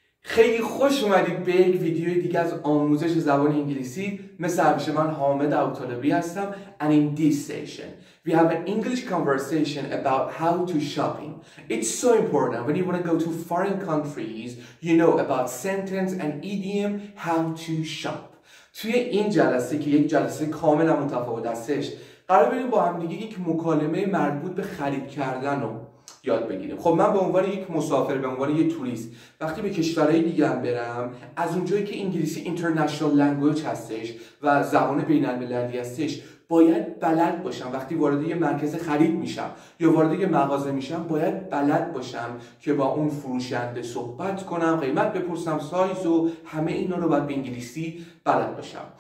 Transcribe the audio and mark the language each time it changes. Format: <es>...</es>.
<fa>خیلی خوش اومدید به یک ویدیوی دیگه از آموزش زبان انگلیسی. مثل همیشه من حامد ابوطالبی هستم.</fa> <en>And in this session, we have an English conversation about how to shopping. It's so important when you want to go to foreign countries, you know about sentence and idiom how to shop.</en> <fa>توی این جلسه که یک جلسه کاملا متفاوت هستش، قرار بریم با هم دیگه یک مکالمه مربوط به خرید کردن رو یاد بگیریم. خب من به عنوان یک مسافر، به عنوان یک توریست، وقتی به کشورهای دیگه هم برم، از اونجایی که انگلیسی اینترنشنال لنگویج هستش و زبان بین المللی هستش، باید بلد باشم وقتی وارد یه مرکز خرید میشم یا وارد یه مغازه میشم، باید بلد باشم که با اون فروشنده صحبت کنم، قیمت بپرسم، سایز و همه اینا رو باید به انگلیسی بلد باشم.</fa>